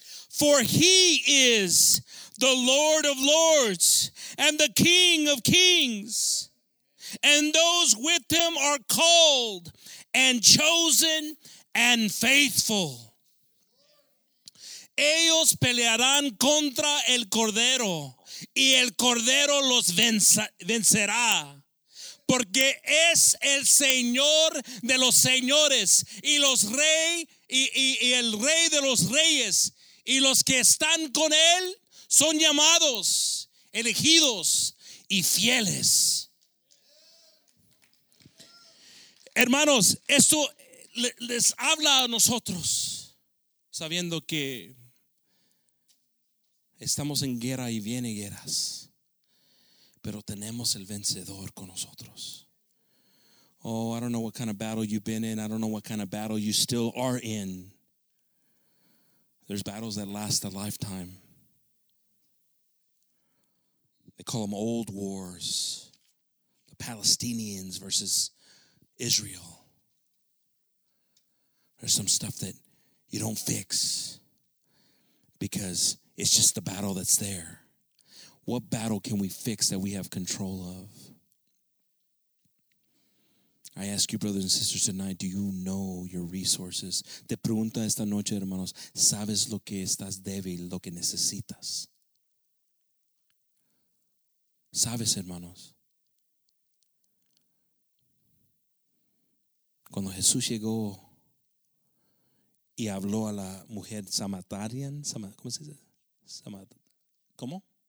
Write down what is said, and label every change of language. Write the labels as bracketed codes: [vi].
[en] For he is the Lord of lords and the King of kings. And those with him are called and chosen and faithful. [es] Ellos pelearán contra el Cordero, y el Cordero los vencerá. Porque es el Señor de los señores y los rey y el rey de los reyes y los que están con él son llamados, elegidos y fieles. Hermanos, esto les habla a nosotros sabiendo que estamos en guerra y vienen guerras. Pero tenemos el vencedor con nosotros. [en] Oh, I don't know what kind of battle you've been in. I don't know what kind of battle you still are in. There's battles that last a lifetime. They call them old wars. The Palestinians versus Israel. There's some stuff that you don't fix because it's just the battle that's there. What battle can we fix that we have control of? I ask you, brothers and sisters, tonight, do you know your resources? [es] Te pregunto esta noche, hermanos, ¿sabes lo que estás débil, lo que necesitas? ¿Sabes, hermanos? Cuando Jesús llegó y habló a la mujer samaritana, ¿cómo se dice? ¿Cómo?